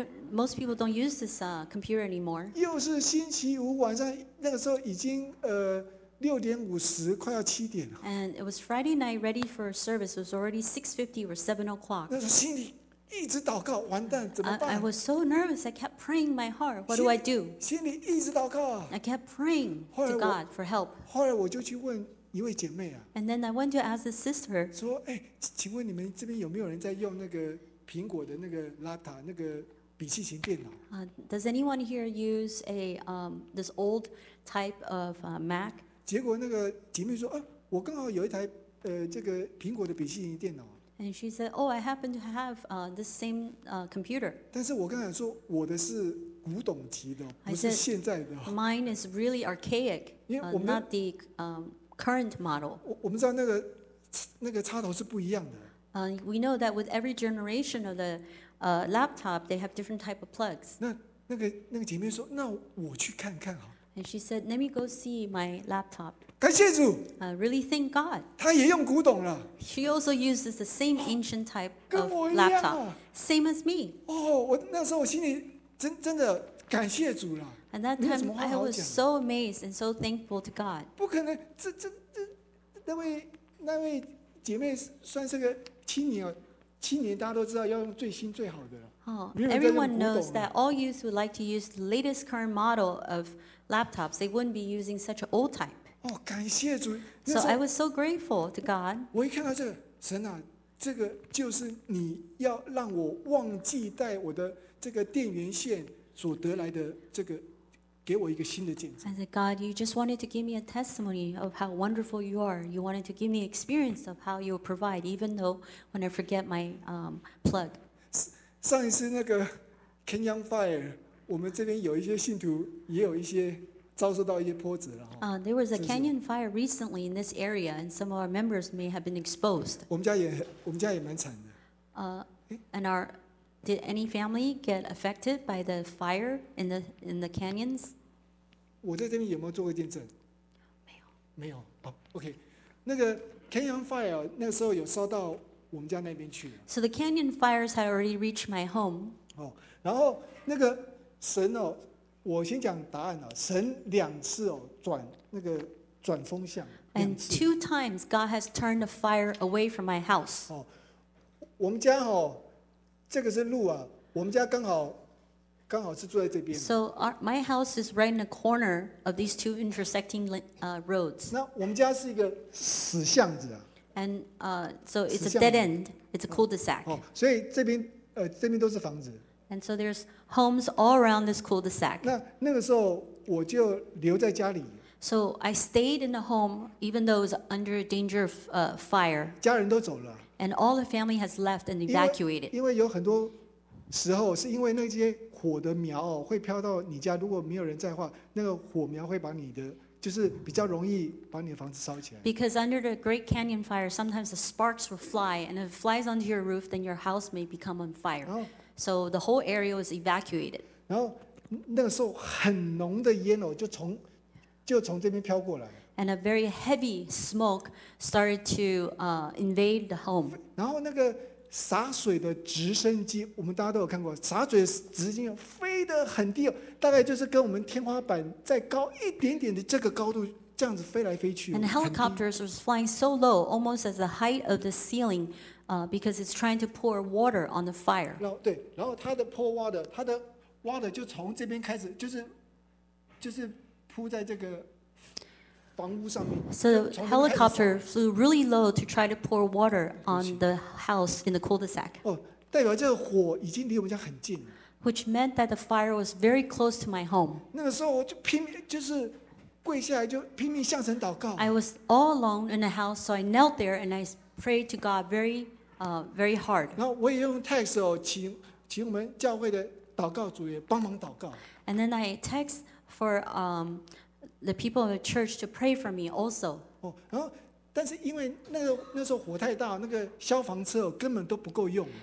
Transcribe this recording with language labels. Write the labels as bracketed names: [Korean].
[English] Most people don't use this computer anymore. [Chinese] 又是星期五晚上，那个时候已经6:50，快要七点了。 [English] And it was Friday night, ready for service. It was already 6:50 or 7 o'clock. [Chinese] 那是心里。一直祷告，完蛋，怎么办 [English] ？I was so nervous. I kept praying my heart. What do I do? [Chinese] 心里一直祷告、啊。 [English] I kept praying to God for help. [Chinese] 后来我就去问一位姐妹啊。 And then I went to ask a sister. 说，哎，请问你们这边有没有人在用那个苹果的那个 laptop 那个笔记型电脑。 [English] Does anyone here use a this old type of Mac？ [Chinese] 结果那个姐妹说，我刚好有一台这个苹果的笔记型电脑。 [English] And she said, "Oh, I happen to have this same computer." [Chinese] 但是我刚才说我的是古董级的，不是现在的。 [English] Mine is really archaic, not the current model. [Chinese] 我们知道那个插头是不一样的。 [English] We know that with every generation of the laptop, they have different type of plugs. [Chinese] 那个姐妹说，那我去看看好。 [English] And she said, "Let me go see my laptop." [Chinese] 感谢主。 [English] Really thank God. [Chinese] 她也用古董了。 [English] She also uses the same ancient type of laptop. Same as me. [Chinese] 哦，我那时候我心里真的感谢主了。 [English] And that time I was so amazed and so thankful to God. [Chinese] 不可能，这那位姐妹算是个青年，青年大家都知道要用最新最好的。 [English] Everyone knows that all youth would like to use the latest current model of laptops. They wouldn't be using such an old type. [Chinese] 哦，感谢主。 [English] So I was so grateful to God. [Chinese] 我一看到这个，神啊，这个就是你要让我忘记带我的这个电源线所得来的这个，给我一个新的见证。 [English] I said, God, you just wanted to give me a testimony of how wonderful you are. You wanted to give me experience of how you provide, even though when I forget my plug. [Chinese] 上一次那个 Kenyan Fire， 我们这边有一些信徒也有一些遭受到一些波折了。 [English] There was a Kenyan Fire recently in this area, and some of our members may have been exposed. [Chinese] 我们家也蛮惨的。 [English] Did any family get affected by the fire in the canyons？ [Chinese] 我在这边有没有做过见证？没有。 OK， 那个 Kenyan Fire 那时候有烧到。 [English] So the canyon fires had already reached my home. [Chinese] 哦，然后那个神哦，我先讲答案了。神两次哦，转风向。 [English] And two times God has turned the fire away from my house. [Chinese] 哦，我们家哦，这个是路啊，我们家刚好是住在这边。 [English] So my house is right in the corner of these two intersecting roads. [Chinese] 那我们家是一个死巷子啊。 [English] And so it's a dead end. It's a cul-de-sac. [Chinese] 哦，所以这边这边都是房子。 [English] And so there's homes all around this cul-de-sac. [Chinese] 那个时候我就留在家里。 [English] So I stayed in the home even though it was under danger of fire. [Chinese] 家人都走了。 [English] And all the family has left and evacuated. [Chinese] 因为有很多时候是因为那些火的苗哦会飘到你家，如果没有人在的话，那个火苗会把你的。就是比较容易把你的房子烧起来。 [English] Because under the Great Canyon Fire, sometimes the sparks will fly, and if it flies onto your roof, then your house may become on fire. So the whole area was evacuated. [Chinese] 然后那个时候很浓的烟哦，就从这边飘过来。 [English] And a very heavy smoke started to invade the home. [Chinese] 然后那个洒水的直升机，我们大家都有看过，洒水直升机飞得很低，大概就是跟我们天花板再高一点点的这个高度，这样子飞来飞去。 [English] And helicopters was flying so low, almost as the height of the ceiling, because it's trying to pour water on the fire. [Chinese] 对，然后它的 [English] pour water， [Chinese] 它的 water 就从这边开始，就是铺在这个。 [English] So the helicopter flew really low to try to pour water on the house in the cul-de-sac. [Chinese] 哦，代表这个火已经离我们家很近了。 [English] Which meant that the fire was very close to my home. [Chinese] 那个时候我就拼命，就是跪下来就拼命向神祷告。 [English] I was all alone in the house, so I knelt there and I prayed to God very hard. [Chinese] 然后我也用 text 哦，请我们教会的祷告组也帮忙祷告。 [English] And then I text for the people of the church to pray for me also. [Chinese] 然后但是因为那时候火太大，那个消防车根本都不够用。